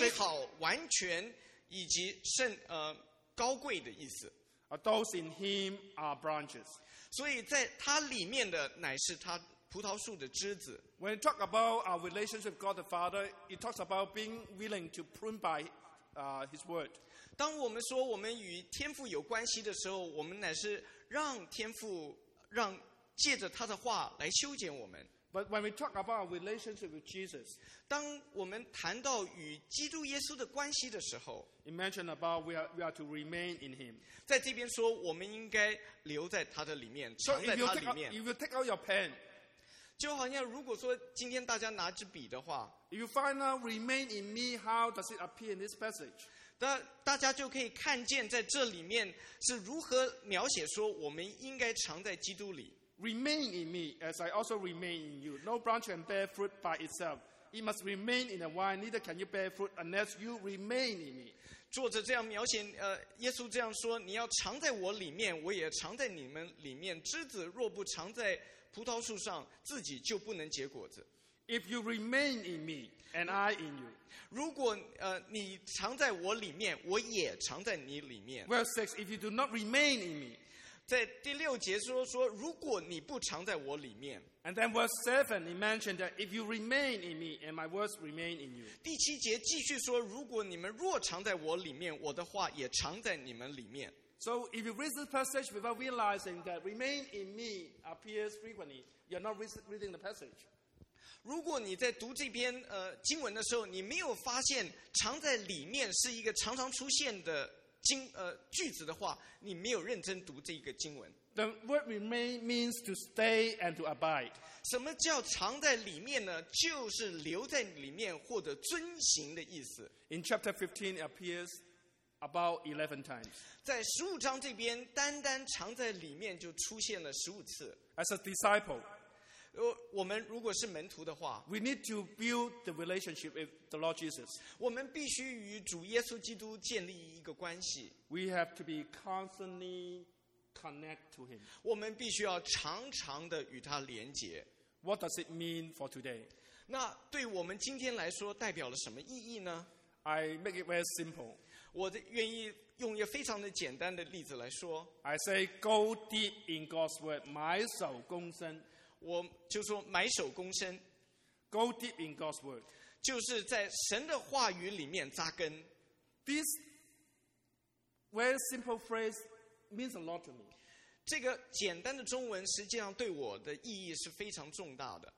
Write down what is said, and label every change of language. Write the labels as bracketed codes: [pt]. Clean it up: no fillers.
[zh] 美好、完全以及圣高贵的意思。 [en] Those in him are branches. [zh] 所以在它里面的乃是它葡萄树的枝子。 [en] When you talk about our relationship with God the Father, it talks about being willing to prune by His Word. [zh] 当我们说我们与天父有关系的时候，我们乃是让天父让借着他的话来修剪我们。 [en] But when we talk about our relationship with Jesus, [zh] 当我们谈到与基督耶稣的关系的时候 [en] ，It mentioned about we are to remain in Him. [zh] 在这边说，我们应该留在他的里面，藏在他里面。 [en] So if you take out your pen. [zh] 就好像如果说今天大家拿支笔的话 [en] You find out remain in me, how does it appear in this passage? [zh] 大家就可以看见在这里面是如何描写说我们应该常在基督里 [en] Remain in me, as I also remain in you. No branch can bear fruit by itself. It must remain in the vine, neither can you bear fruit unless you remain in me. [zh] 作者这样描写耶稣这样说你要常在我里面我也常在你们里面枝子若不常在葡萄树上自己就不能结果子 [en] If you remain in me and I in you [zh] 如果你常在我里面我也常在你里面 [en] Verse 6 If you do not remain in me [zh] 在第六节说如果你不常在我里面 [en] And then verse 7 he mentioned that if you remain in me and my words remain in you [zh] 第七节继续说如果你们若常在我里面我的话也常在你们里面 [en] So if you read this passage without realizing that remain in me appears frequently, you're not reading the passage. [zh] 如果你在读这篇经文的时候，你没有发现藏在里面是一个常常出现的句子的话，你没有认真读这个经文。 [en] The word remain means to stay and to abide. [zh] 什么叫藏在里面呢？就是留在里面或者遵行的意思。 [en] In chapter 15, it appears. About 11 times. [zh] 在十五章这边，单单藏在里面就出现了十五次。 [en] As a disciple, [zh] 我们如果是门徒的话 [en] ，we need to build the relationship with the Lord Jesus. [zh] 我们必须与主耶稣基督建立一个关系。 [en] We have to be constantly connect to Him. [zh] 我们必须要常常的与他连接。 [en] What does it mean for today? [zh] 那对我们今天来说代表了什么意义呢 [en] ？I make it very simple. [zh] 我愿意用一个非常的简单的例子来说 [en] I say go deep in God's word [zh] 埋首躬身我就说埋首躬身 [en] Go deep in God's word [zh] 就是在神的话语里面扎根 [en] This very simple phrase means a lot to me [zh] 这个简单的中文实际上对我的意义是非常重大的